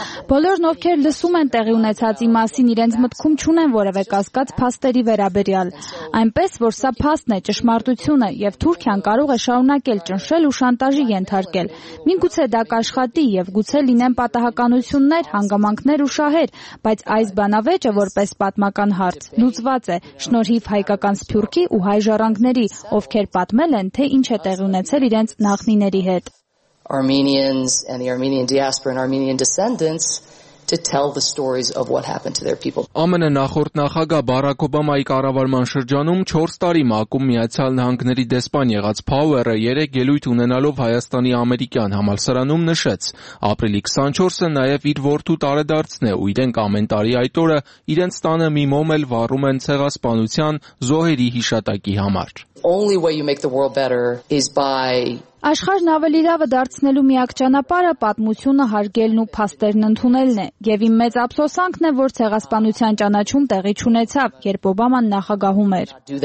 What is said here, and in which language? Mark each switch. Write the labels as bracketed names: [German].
[Armenian] Բոլորն, ովքեր լսում են տեղի ունեցածի մասին, իրենց մտքում չունեն որևէ կասկած փաստերի վերաբերյալ, այնպես որ սա փաստն է, ճշմարտություն է, եւ Թուրքիան կարող է շարունակել ճնշել ու շանտաժի ենթարկել։ Մինչուցե դա կաշխատի եւ գուցե լինեն պատահականություններ, հանգամանքներ ու շահեր, բայց այս բանը վեճը որպես պատմական հարց լուծված է շնորհիվ հայկական սփյուռքի ու հայ ժառանգների, ովքեր պատմել են, թե ինչ է տեղ ունեցել իրենց նախնիների հետ. [English] Armenians and the Armenian diaspora and Armenian descendants to tell the stories of what happened to their people. [Armenian] ԱՄՆ նախորդ նախագահ Բարակ Օբամայի կառավարման շրջանում 4 տարի մակում Միացյալ Նահանգների դեսպան եղած Փաուերը 3 ելույթ ունենալով Հայաստանի ամերիկյան համալսարանում նշեց. Ապրիլի 24-ը նաև իր որդու տարեդարձն է, ու իրենք ամեն տարի այդ օրը իրենց տանը մի մոմել վառում են ցեղասպանության զոհերի հիշատակի համար. [English] Only way you make the world better is by [Armenian] Աշխարհն ավելի լավը դարձնելու միակ ճանապարհը պատմությունը հարգելն ու փաստերն ընդունելն է։ Եվ իմ մեծ ափսոսանքն է, որ ցեղասպանության ճանաչում տեղի չունեցավ, երբ Օբաման նախագահում էր։